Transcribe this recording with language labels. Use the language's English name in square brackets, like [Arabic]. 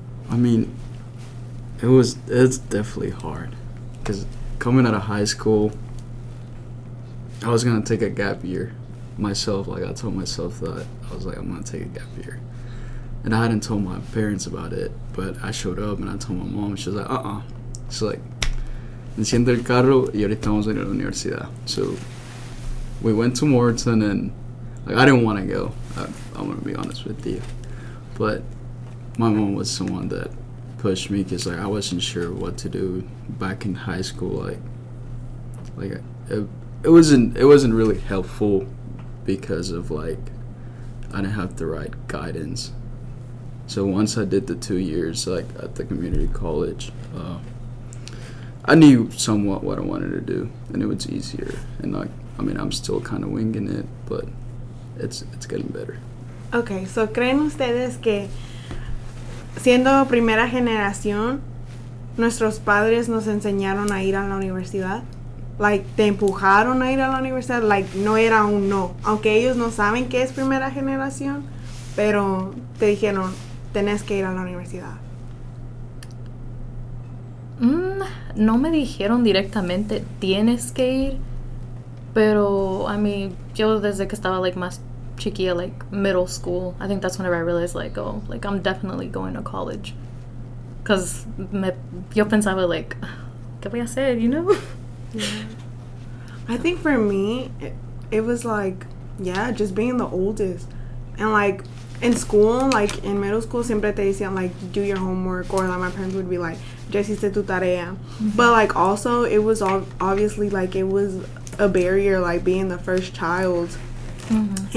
[English] I mean, it's definitely hard, 'cause coming out of high school, I was gonna take a gap year myself. Like I told myself that I was like, I'm gonna take a gap year, and I hadn't told my parents about it. But I showed up and I told my mom. She was like, uh-uh. She's like, [Spanish] enciende el carro y ahorita vamos a ir a la universidad. [English] So we went to Morton, and like I didn't want to go. I'm gonna be honest with you, but my mom was someone that pushed me, 'cause like I wasn't sure what to do back in high school. Like it wasn't really helpful because of, like, I didn't have the right guidance. So once I did the 2 years, like, at the community college, I knew somewhat what I wanted to do, and it was easier. And, like, I mean, I'm still kind of winging it, but it's getting better. [Spanish] Okay, so ¿creen ustedes que siendo primera generación, nuestros padres nos enseñaron a ir a la universidad? Like, ¿te empujaron a ir a la universidad? Like, no era un no. Aunque ellos no saben qué es primera generación, pero te dijeron, tenés que ir a la universidad. No me dijeron directamente, tienes que ir. [English] Pero, I mean, [Spanish] yo desde que estaba, [English] like, [Spanish] más chiquilla, [English] like, middle school, I think that's whenever I realized, like, oh, like, I'm definitely going to college. [Spanish] Because yo pensaba, like, ¿qué voy a hacer, [English] you know? Yeah. I think for me, it was like, yeah, just being the oldest. And, like, in school, like, in middle school, [Spanish] siempre te decían, [English] like, do your homework. Or, like, my parents would be like, [Spanish] ya hiciste tu tarea. [English] But, like, also, it was obviously, like, it was a barrier, like, being the first child. Mm-hmm.